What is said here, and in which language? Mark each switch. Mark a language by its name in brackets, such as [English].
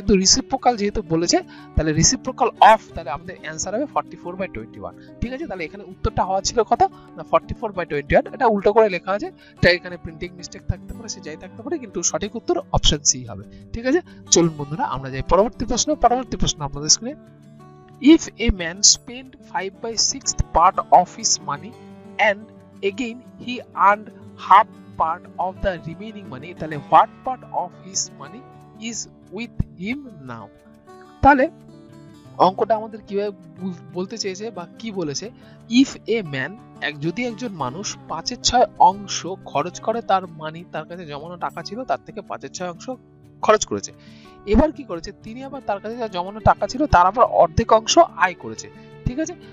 [Bangla] কিন্তু রেসিপ্রোকাল যেহেতু বলেছে, তাহলে রেসিপ্রোকাল অফ, তাহলে আমাদের অ্যান্সার হবে 44/21, ঠিক আছে? তাহলে এখানে উত্তরটা হওয়া ছিল কত, না 44/21, এটা উল্টো করে লেখা আছে, তাই এখানে প্রিন্টিং মিস্টেক থাকতে পারে, সে যাই থাকতে পারে, কিন্তু সঠিক উত্তর অপশন সি হবে, ঠিক আছে? চলুন বন্ধুরা আমরা যাই পরবর্তী প্রশ্ন। পরবর্তী প্রশ্ন আপনাদের স্ক্রিনে, [English] If a man spend 5/6 part of his money and again he earned half part of the remaining money, তাহলে what part of his money is with him now? [Bangla] তাহলে অঙ্কটা আমাদের কিভাবে বলতে চেয়েছে বা কি বলেছে, [English] if a man, [Bangla] যদি একজন মানুষ 5/6 অংশ খরচ করে তার মানি, তার কাছে জমানো টাকা ছিল তার থেকে 5/6 অংশ খরচ করেছে, এবার কি করেছে, তিনি আবার তার কাছে যা জমানো টাকা ছিল তার আবার অর্ধেক অংশ আয় করেছে, ঠিক আছে?